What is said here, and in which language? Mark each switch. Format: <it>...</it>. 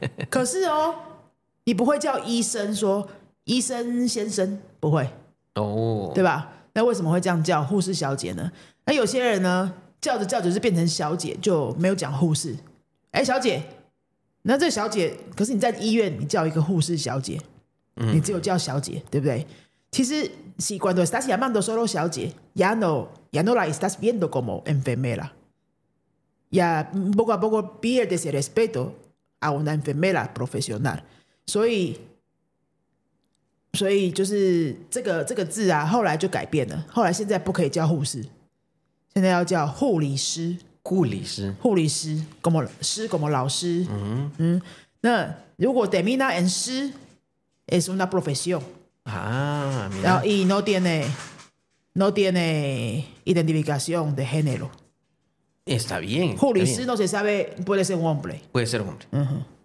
<zh>可是哦，你不会叫医生说医生先生，不会哦， oh. 对吧？那为什么会这样叫护士小姐呢？那有些人呢，叫着叫着就变成小姐，就没有讲护士。哎，小姐，那这小姐，可是你在医院，你叫一个护士小姐，你只有叫小姐，对不对？其实习惯都</zh> <es>estás llamando solo 小姐 ya no la estás viendo como enfermera ya poco a poco pierdes el respeto。 a una enfermera profesional，</es> <zh>所以就是这个字啊，后来就改变了。后来现在不可以叫护士，现在要叫护理师。护理师，护理师，como师，como老师。嗯嗯。那如果</zh> <es>termina en 师 ，es una profesión 啊。然后 y no tiene identificación de género， Está bien. Juris, no se sabe, puede ser un hombre. Puede ser un hombre. Uh-huh.</es>